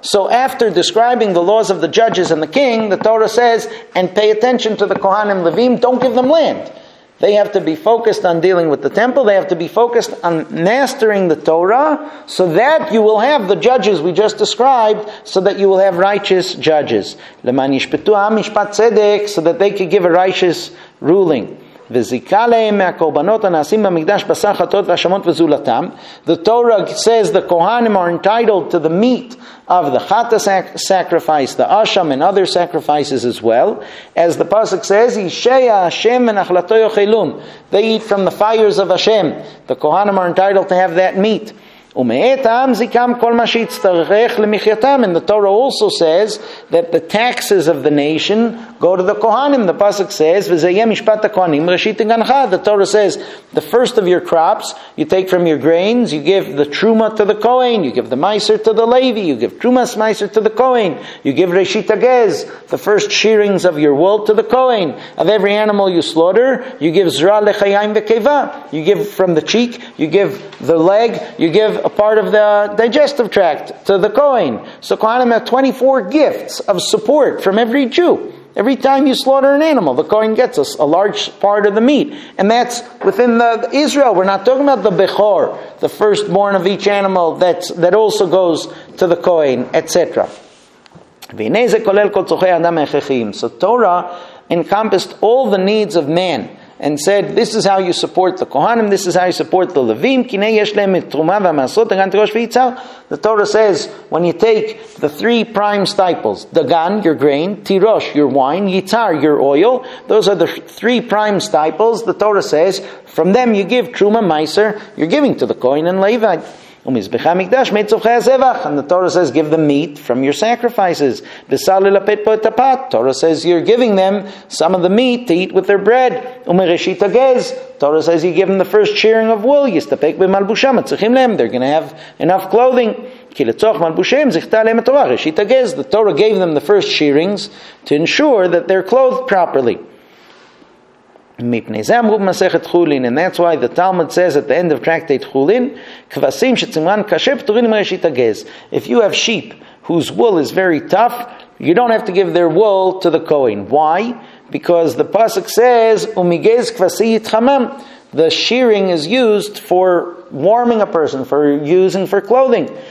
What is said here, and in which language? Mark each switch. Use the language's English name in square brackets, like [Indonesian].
[English] So after describing the laws of the judges and the king, the Torah says, and pay attention to the Kohanim Levim, don't give them land. They have to be focused on dealing with the temple, they have to be focused on mastering the Torah, so that you will have the judges we just described, so that you will have righteous judges. [Hebrew] L'man yishpetu ha'mishpat tzedek, [English] so that they could give a righteous ruling. [Hebrew] וזיקה להם מהקורבנות הנעשים במקדש בשר חטות והשמות וזולתם. [English] The Torah says the Kohanim are entitled to the meat of the Chata sacrifice, the Asham, and other sacrifices as well. As the Pasuk says, [Hebrew] Yishaya Hashem v'nachlato yochelum. [English] They eat from the fires of Hashem. The Kohanim are entitled to have that meat. [Hebrew] ומאתם זיקם כל מה שיצטרך למחייתם. [English] And the Torah also says that the taxes of the nation go to the Kohanim. The Pasuk says, [Hebrew] וזה יהיה משפט הכהנים ראשית תגנך. [English] The Torah says, the first of your crops, you take from your grains, you give the truma to the Kohen, you give the miser to the Levi, you give truma's miser to the Kohen, you give reshit agez, the first shearings of your wool to the Kohen. Of every animal you slaughter, you give zra lechayim vekeva, you give from the cheek, you give the leg, you give a part of the digestive tract to the Kohen. So Kohanim have 24 gifts of support from every Jew. Every time you slaughter an animal, the Kohen gets us a large part of the meat. And that's within the Israel. We're not talking about the Bechor, the firstborn of each animal that also goes to the Kohen, etc. [Hebrew] והנה זה כולל כל צורכי האדם ההכרחיים. [English] So Torah encompassed all the needs of man and said, this is how you support the Kohanim, this is how you support the Levim, [Hebrew] kinei yesh lehem et truma v'amasot, dagan tirosh v'yitzar. [English] The Torah says, when you take the three prime stipples, dagan, your grain, tirosh, your wine, yitzar, your oil, those are the three prime stipples, the Torah says, from them you give truma, meiser, you're giving to the Kohen and Levite. [Hebrew] ומזבחי המקדש מצורכי הזבח. [English] And the Torah says, give them meat from your sacrifices. [Hebrew] בשר ללפת פה את הפת. [English] Torah says, you're giving them some of the meat to eat with their bread. [Hebrew] ומראשית הגז. [English] Torah says, you give them the first shearing of wool. [Hebrew] יסתפק במלבושם. צריכים להם. [English] They're going to have enough clothing. [Hebrew] כי לצורך מלבושם זכתה להם התורה. ראשית הגז. [English] The Torah gave them the first shearings to ensure that they're clothed properly. [Hebrew] מפני זה אמרו במסכת חולין, [English] and that's why the Talmud says at the end of tractate [Hebrew] חולין, כבשים שצמרן קשה פטורין מראשית הגז. [English] If you have sheep whose wool is very tough, you don't have to give their wool to the Kohen. Why? Because the Pasuk says, [Hebrew] ומגז כבשי יתחמם. [English] The shearing is used for warming a person, for using for clothing.